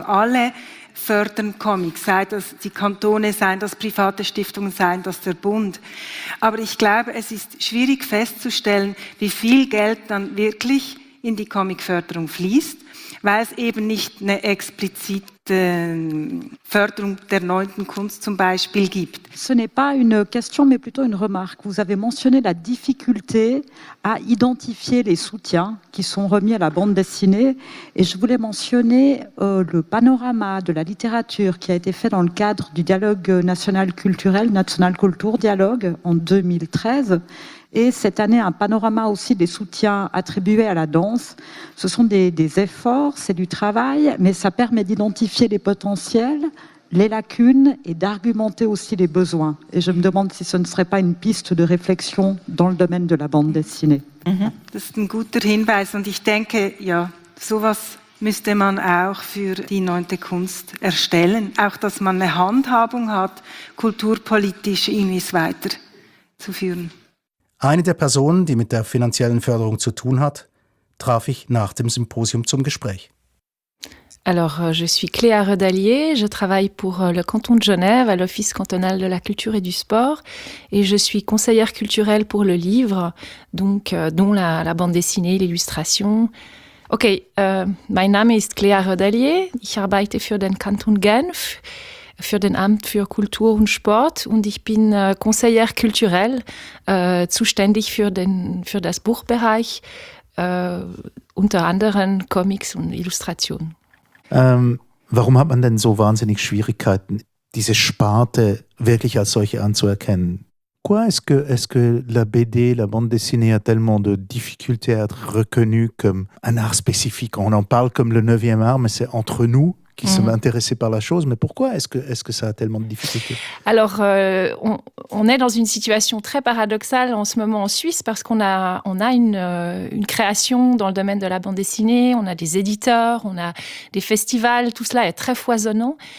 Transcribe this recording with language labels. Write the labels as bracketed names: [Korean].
[German] Alle fördern Comics, sei das die Kantone, seien das private Stiftungen, seien das der Bund. Aber ich glaube, es ist schwierig festzustellen, wie viel Geld dann wirklich in die Comicförderung fließt, weil es eben nicht eine explizite Förderung der neunten Kunst zum Beispiel gibt. [French] Ce n'est pas une question, mais plutôt une remarque. Vous avez mentionné la difficulté à identifier les soutiens qui sont remis à la bande dessinée. Et je voulais mentionner le panorama de la littérature qui a été fait dans le cadre du dialogue national culturel, National Culture Dialogue, en 2013. Et cette année, un panorama aussi des soutiens attribués à la danse. Ce sont des efforts, c'est du travail, mais ça permet d'identifier les potentiels, les lacunes et d'argumenter aussi les besoins. Et je me demande si ce ne serait pas une piste de réflexion dans le domaine de la bande dessinée. C'est un [German] guter Hinweis. [French] Et je pense que [German] sowas müsste man auch für die neunte Kunst erstellen. Auch, dass man eine Handhabung hat, kulturpolitisch irgendwie weiter zu führen. Eine der Personen, die mit der finanziellen Förderung zu tun hat, traf ich nach dem Symposium zum Gespräch. [French] Alors, je suis Cléa Redallier, je travaille pour le canton de Genève à l'Office cantonal de la culture et du sport et je suis conseillère culturelle pour le livre, donc dont la bande dessinée, l'illustration. [German] Okay, mein Name ist Cléa Redallier, ich arbeite für den Kanton Genf, für den Amt für Kultur und Sport und ich bin conseillère culturelle, zuständig für das Buchbereich, unter anderem Comics und Illustrationen. Warum hat man denn so wahnsinnig Schwierigkeiten, diese Sparte wirklich als solche anzuerkennen? [French] Pourquoi est-ce que la BD, la bande dessinée a tellement de difficultés à être reconnue comme un art spécifique? On en parle comme le 9e art, mais c'est entre nous qui sommes intéressés par la chose. Mais pourquoi est-ce que ça a tellement de difficultés? Alors, on est dans une situation très paradoxale en ce moment en Suisse parce qu'on a, une création dans le domaine de la bande dessinée, on a des éditeurs, on a des festivals, tout cela est très foisonnant.